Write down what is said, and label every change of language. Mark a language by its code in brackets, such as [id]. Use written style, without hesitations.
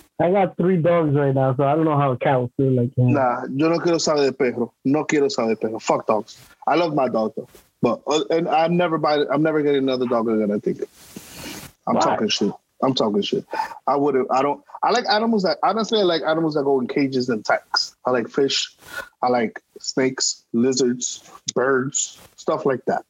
[en] I got three dogs right now, so I don't know how a cat would feel like that. [es] Nah, yo no quiero saber de perro. No quiero saber de perro. [en] Fuck dogs. I love my dog, though. But I'm never getting another dog again, I think. I'm talking shit. I like animals honestly, I like animals that go in cages and tanks. I like fish. I like snakes, lizards, birds, stuff like that.